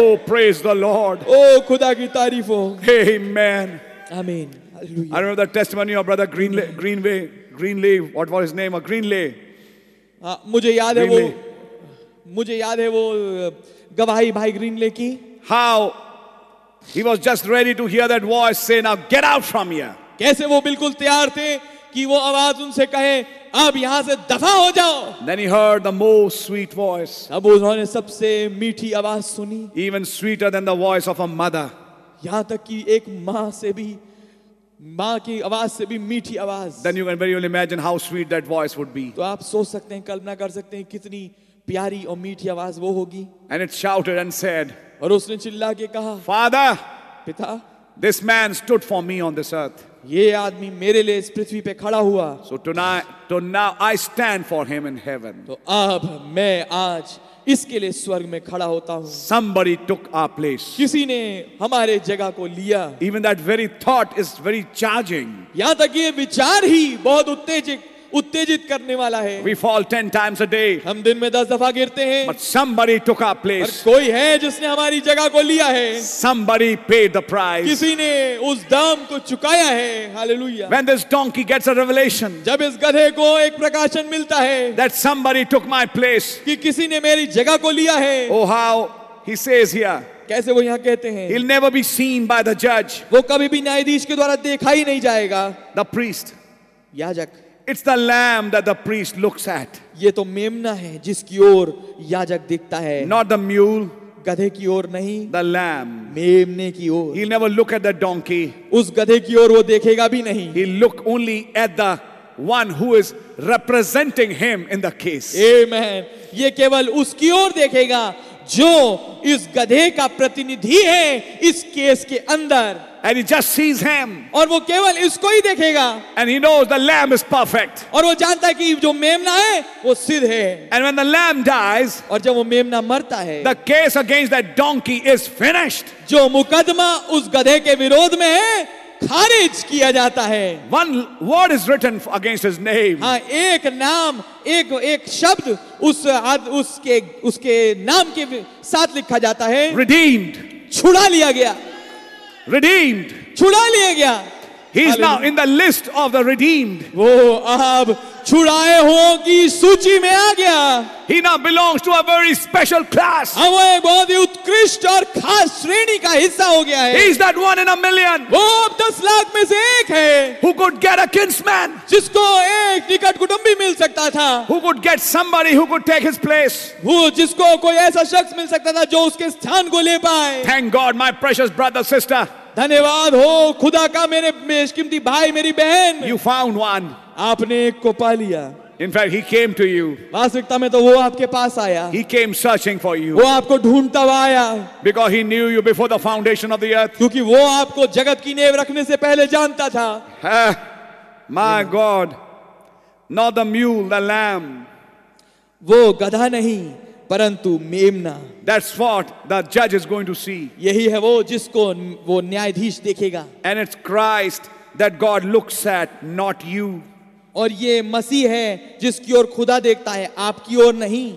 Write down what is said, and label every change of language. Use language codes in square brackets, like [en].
[en] Oh, praise the Lord. [hi] Oh, खुदा की तारीफ हो. [en] Amen. Amen. Hallelujah. I remember the testimony of brother Greenlee. [hi] मुझे याद है वो गवाही भाई ग्रीनले की. [en] How he was just ready to hear that voice say, now get out from here. [hi] कैसे वो बिल्कुल तैयार थे कि वो आवाज उनसे कहे अब यहां से दफा हो जाओ. [en] Then he heard the most sweet voice. [hi] अब उन्होंने सबसे मीठी आवाज सुनी. [en] Even sweeter than the voice of a mother. [hi] यहां तक कि एक माँ से भी माँ की आवाज से भी मीठी आवाज. [en] Then you can very well imagine how sweet that voice would be. [hi] तो आप सोच सकते हैं, कल्पना कर सकते हैं कितनी प्यारी और मीठी आवाज वो होगी. [en] And it shouted and said. [hi] और उसने चिल्ला के कहा, [en] Father, [hi] पिता, [en] This man stood for me on this earth. [hi] ये आदमी मेरे लिए इस पृथ्वी पे खड़ा हुआ. [en] So tonight, so now I stand for him in heaven. [hi] तो अब मैं आज इसके लिए स्वर्ग में खड़ा होता हूँ. [en] Somebody took our place. [hi] किसी ने हमारे जगह को लिया. [en] Even that very thought is very charging. [hi] यहाँ तक ये विचार ही बहुत उत्तेजित करने वाला है. [en] We fall 10 times a day. [hi] हम दिन में 10 दफा गिरते हैं. [en] But somebody took our place. [hi] कोई है जिसने हमारी जगह को लिया है. [en] Somebody paid the price. [hi] किसी ने उस दाम को चुकाया है. [en] Hallelujah. When this donkey gets a revelation. [hi] जब इस गधे को एक प्रकाशन मिलता है. [en] That somebody took my place. [hi] कि किसी ने मेरी जगह को लिया है. [en] Oh how he says here. [hi] कैसे वो यहाँ कहते हैं. [en] He'll never be seen by the judge. [hi] वो कभी भी न्यायाधीश के द्वारा देखा ही नहीं जाएगा. [en] The priest. [hi] याजक. [en] It's the lamb that the priest looks at. [hi] ये तो मेमना है जिसकी ओर याजक देखता है. [en] Not the mule. [hi] गधे की ओर नहीं. [en] The lamb. [hi] मेमने की ओर. [en] He'll never look at the donkey. [hi] उस गधे की ओर वो देखेगा भी नहीं. [en] He'll look only at the one who is representing him in the case. Amen. [hi] ये केवल उसकी ओर देखेगा जो इस गधे का प्रतिनिधि है इस केस के अंदर. [en] And he just sees him. [hi] और वो केवल इसको ही देखेगा. [en] And he knows the lamb is perfect. [hi] और वो जानता है कि जो मेमना है वो सिद्ध है. [en] And when the lamb dies, [hi] और जब वो मेमना मरता है, [en] the case against that donkey is finished. [hi] जो मुकदमा उस गधे के विरोध में है खारिज किया जाता है. [en] One word is written against his name. [hi] हाँ, एक नाम, एक शब्द उसके नाम के साथ लिखा जाता है. [en] Redeemed. [hi] छुड़ा लिया गया. [en] Redeemed. [hi] छुड़ा लिया गया. [en] He's now in the list of the redeemed. [hi] वो अब छुड़ाए हों की सूची में आ गया. [en] He now belongs to a very special class. [hi] अब वो बहुत ही उत्कृष्ट और खास श्रेणी का हिस्सा हो गया है. [en] He's that one in a million. [hi] वो अब 10 लाख में से एक है. [en] Who could get a kinsman? [hi] जिसको एक निकट कुटुंबी मिल सकता था. [en] Who could get somebody who could take his place? [hi] वो जिसको कोई ऐसा शख्स मिल सकता था जो उसके स्थान को ले पाए. [en] Thank God, my precious brother, sister. [hi] धन्यवाद हो खुदा का मेरे बेशकीमती भाई मेरी बहन. [en] You found one. [hi] आपने एक को पा लिया. [en] In fact, he came to you. [hi] वास्तविकता में तो वो आपके पास आया. [en] He came searching for you. [hi] वो आपको ढूंढता हुआ आया. [en] Because he knew you before the foundation of the earth. [hi] क्योंकि वो आपको जगत की नींव रखने से पहले जानता था. [en] My God, not the mule, the lamb. [hi] वो गधा नहीं परंतु मेमना. [en] That's what the judge is going to see. [hi] यही है वो जिसको वो न्यायाधीश देखेगा. [en] And it's Christ that God looks at, not you. [hi] और ये मसीह है जिसकी ओर खुदा देखता है आपकी ओर नहीं.